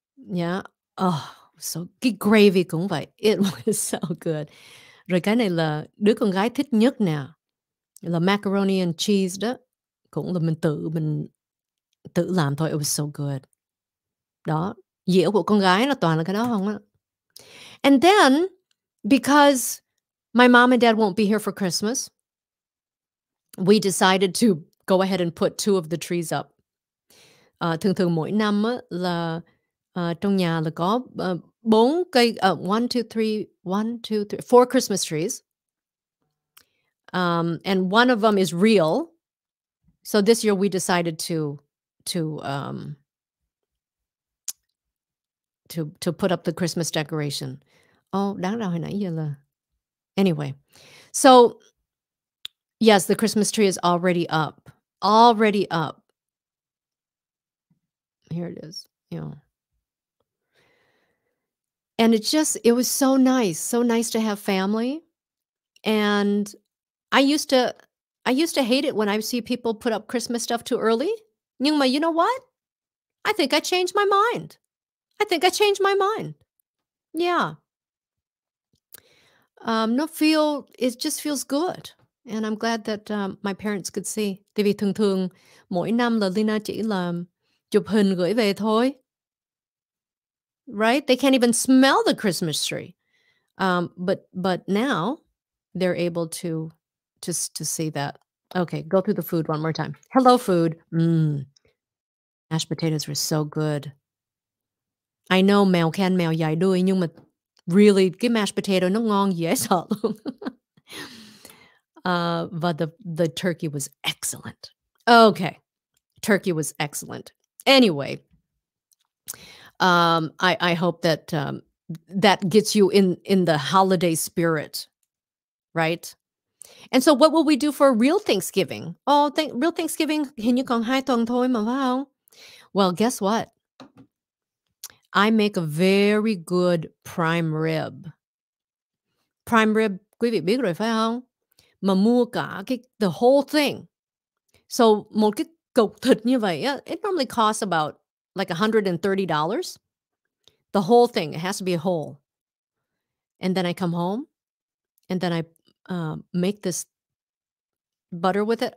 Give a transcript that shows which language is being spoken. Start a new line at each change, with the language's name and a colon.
English: Yeah. Oh. So,
Vietnamese: cái gravy cũng vậy.
English: It was so good.
Vietnamese: Rồi cái này là đứa con gái thích nhất nè. Là macaroni and cheese đó. Cũng là mình tự làm thôi.
English: It was so good.
Vietnamese: Đó. Dĩa của con gái là toàn là cái đó không á.
English: And then, because my mom and dad won't be here for Christmas, we decided to go ahead and put two of the trees up.
Vietnamese: Thường thường mỗi năm là trong nhà là có bốn cây,
English: four Christmas trees. And one of them is real. So this year we decided to put up the Christmas decoration. Oh,
Vietnamese: đáng ra hồi nãy giờ là...
English: Anyway, so yes, the Christmas tree is already up. Already up. Here it is, you know. And it was so nice to have family. And I used to hate it when I see people put up Christmas stuff too early.
Vietnamese: Nhưng mà
English: you know what? I think I changed my mind. Yeah. It just feels good. And I'm glad that my parents could see.
Vietnamese: Tại vì thường thường mỗi năm là Lina chỉ là chụp hình gửi về thôi.
English: Right? They can't even smell the Christmas tree. But now they're able to just to see that. Okay, go through the food one more time. Hello, food. Mashed potatoes were so good. I know
Vietnamese: mèo khen mèo dài đuôi, nhưng mà really, cái mashed potato nó ngon dễ sợ luôn.
English: But the turkey was excellent. Okay, turkey was excellent. Anyway. I hope that that gets you in the holiday spirit, right? And so what will we do for real Thanksgiving? Oh, real Thanksgiving,
Vietnamese: hình như còn hai tuần thôi mà vào.
English: Well, guess what? I make a very good prime rib. Prime rib,
Vietnamese: quý vị biết rồi phải không? Mà mua cả
English: the whole thing. So
Vietnamese: một cái cục thịt như vậy,
English: it normally costs about like $130. The whole thing, it has to be a whole. And then I come home and then I make this butter with it.